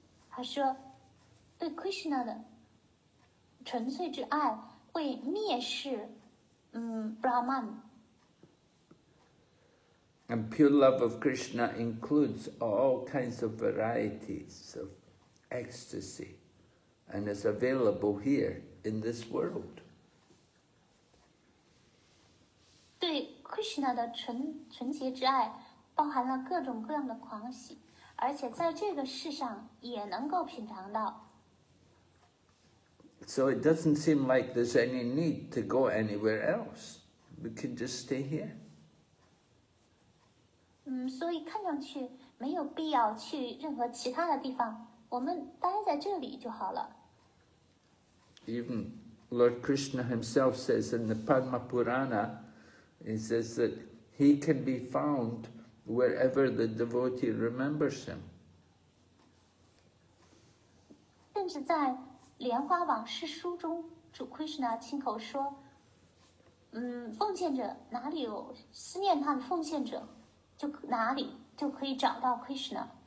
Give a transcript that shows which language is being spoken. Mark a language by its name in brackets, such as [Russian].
[Chinese] 他说，对 Krishna 的纯粹之爱会蔑视，Brahman. [English] And pure love of Krishna includes all kinds of varieties of ecstasy, and is available here in this world. [Chinese] 对 Krishna 的纯洁之爱包含了各种各样的狂喜，而且在这个世上也能够品尝到。 [English] So it doesn't seem like there's any need to go anywhere else. We can just stay here. [Chinese] 所以看上去没有必要去任何其他的地方，我们待在这里就好了。 [English] Even Lord Krishna himself says in the Padma Purana, he says that he can be found wherever the devotee remembers him. [Chinese] 甚至在莲花往事书中，主 Krishna 亲口说，奉献者哪里有思念他的奉献者，就哪里就可以找到 Krishna。